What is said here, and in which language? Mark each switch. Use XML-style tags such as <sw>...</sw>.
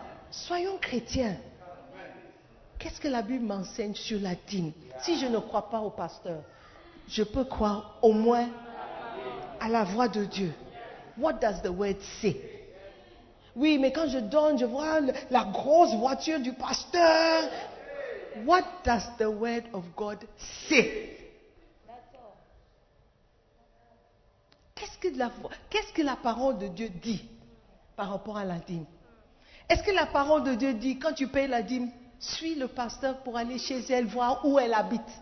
<fr>Soyons chrétiens. Qu'est-ce que la Bible m'enseigne sur la dîme? Si je ne crois pas au pasteur, je peux croire au moins à la voix de Dieu.</fr> <en>What does the word say?</en> <fr>Oui, mais quand je donne, je vois la grosse voiture du pasteur.</fr> <en>What does the word of God say?</en> <fr>Qu'est-ce que la parole de Dieu dit par rapport à la dîme? Est-ce que la parole de Dieu dit, quand tu payes la dîme, suis le pasteur pour aller chez elle, voir où elle habite?</fr>